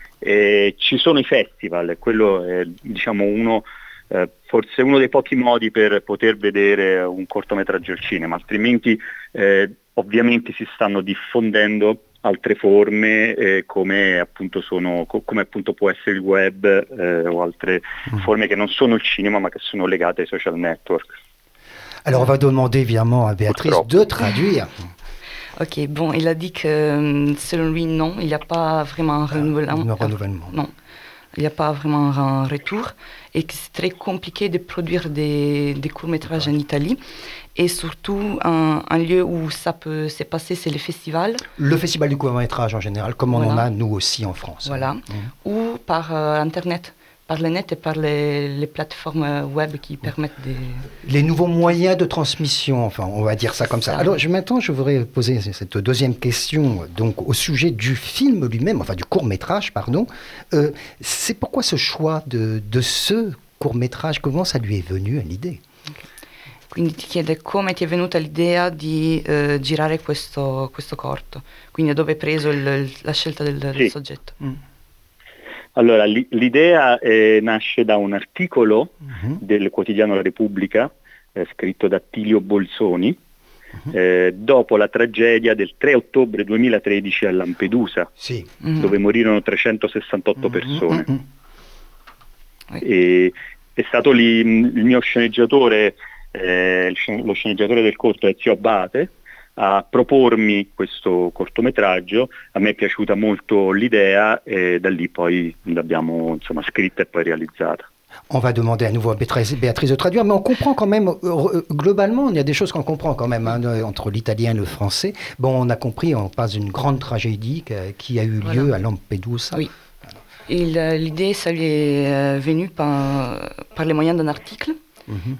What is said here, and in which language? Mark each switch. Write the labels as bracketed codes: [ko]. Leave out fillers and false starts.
[it] Ci sono i festival, quello è diciamo forse uno dei pochi modi per poter vedere un cortometraggio al cinema, altrimenti ovviamente si stanno diffondendo altre forme come appunto può essere il web o altre forme che non sono il cinema ma che sono legate ai social network. Allora va a domandare ovviamente a Beatrice di tradurre. [fr] Ok, bon, il a dit que selon lui, non, il n'y a pas vraiment un renouvellement. Non, il n'y a pas vraiment un retour et que c'est très compliqué de produire des courts-métrages en Italie. Et surtout, un lieu où ça peut se passer, c'est le festival. Le festival du court-métrage en général, comme on en a nous aussi en France. Voilà, ou par Internet. Par le net et par les plateformes web qui permettent des... Les nouveaux moyens de transmission, enfin, on va dire ça comme ça. Alors, maintenant, je voudrais poser cette deuxième question, donc, au sujet du film lui-même, enfin, du court-métrage, pardon. C'est pourquoi ce choix de ce court-métrage, comment ça lui est venu, à l'idée? [it] Quindi ti chiede come ti è venuta l'idea di girare questo corto. Quindi, dove hai preso la scelta del soggetto? Mm. Allora, l'idea nasce da un articolo del quotidiano La Repubblica, scritto da Tilio Bolzoni, dopo la tragedia del 3 ottobre 2013 a Lampedusa, sì. Dove morirono 368 persone. E' stato lì il mio sceneggiatore, lo sceneggiatore del corto Ezio Abate, a propormi questo cortometraggio. A me è piaciuta molto l'idea e da lì poi l'abbiamo insomma scritta e poi realizzata. [fr] On va demander à nouveau à Béatrice de traduire, mais on comprend quand même, globalement, il y a des choses qu'on comprend quand même, hein, entre l'italien et le français. Bon, on a compris, on passe une grande tragédie qui a eu lieu à Lampedusa. Oui. Voilà. L'idée, ça lui est venue par les moyens d'un article. Mm-hmm.